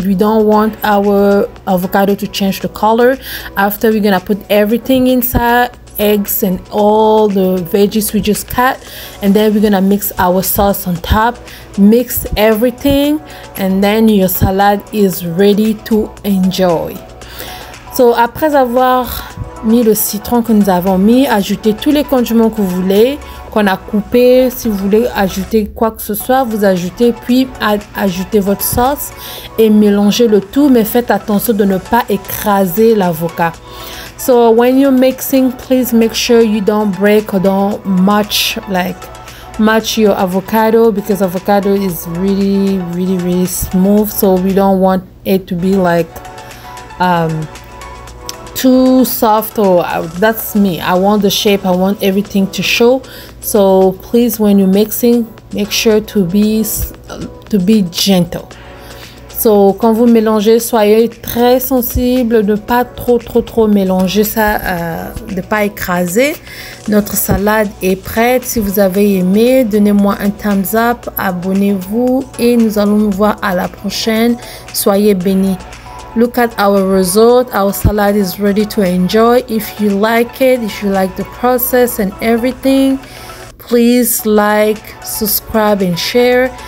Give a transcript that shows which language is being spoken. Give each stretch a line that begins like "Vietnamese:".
English: We don't want our avocado to change the color. After, we're gonna put everything inside, eggs and all the veggies we just cut, and then we're gonna mix our sauce on top. Mix everything and then your salad is ready to enjoy.
French: So après avoir mis le citron que nous avons mis, ajoutez tous les condiments que vous voulez, qu'on a coupé. Si vous voulez ajouter quoi que ce soit, vous ajoutez, puis ajoutez votre sauce et mélangez le tout, mais faites attention de ne pas écraser l'avocat.
English: So when you're mixing, please make sure you don't break or don't match your avocado, because avocado is really really really smooth, so we don't want it to be like too soft, or that's me. I want the shape, I want everything to show. So please, when you're mixing, make sure to be gentle.
French: So, quand vous mélangez, soyez très sensible de ne pas trop mélanger ça, de ne pas écraser. Notre salade est prête. Si vous avez aimé, donnez-moi un
English: thumbs up,
French: abonnez-vous et nous allons nous voir à la prochaine. Soyez bénis.
English: Look at our result. Our salad is ready to enjoy. If you like it, if you like the process and everything, please like, subscribe and share.